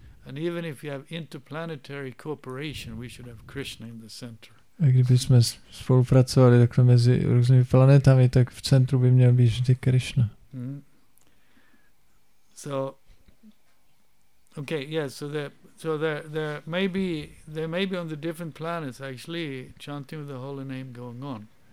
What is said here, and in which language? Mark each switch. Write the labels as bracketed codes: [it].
[en] And even if you have interplanetary cooperation, we should have Krishna in the center. [cs] A kdyby jsme spolupracovali takhle mezi různými planetami, tak v centru by měl být vždy Krishna. [en] So okay, yes, yeah, so there may be on the different planets actually chanting the holy name going on.